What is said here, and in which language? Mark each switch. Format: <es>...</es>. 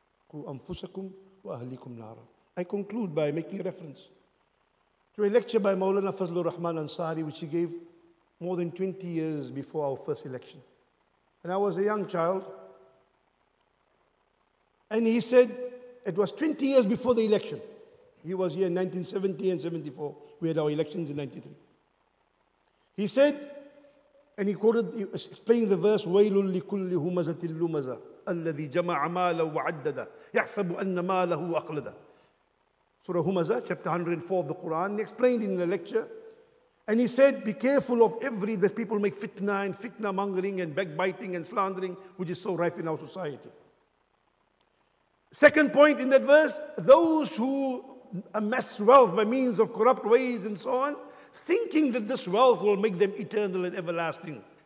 <ar>Qu anfusakum wa ahlikum nara.</ar> <en>I conclude by making a reference to a lecture by Mawlana Fazlur Rahman Ansari, which he gave more than 20 years before our first election. And I was a young child, and he said it was 20 years before the election. He was here in 1970 and 74. We had our elections in 93. He said, and he quoted, explaining the verse,</en> <ar>وَيْلٌ لِكُلِّ هُمَزَةٍ لُمَزَةٍ أَلَّذِي جَمَعَ مَالَهُ وَعَدَّدَهُ يَحْسَبُ أَنَّ مَالَهُ أَقْلَدَهُ.</ar> <en>Surah Humaza, chapter 104 of the Quran, he explained in the lecture, and he said, be careful of every, that people make fitna and fitna mongering and backbiting and slandering, which is so rife in our society. Second point in that verse, those who amass wealth by means of corrupt ways and so on, thinking that this wealth will make them eternal and everlasting.</en>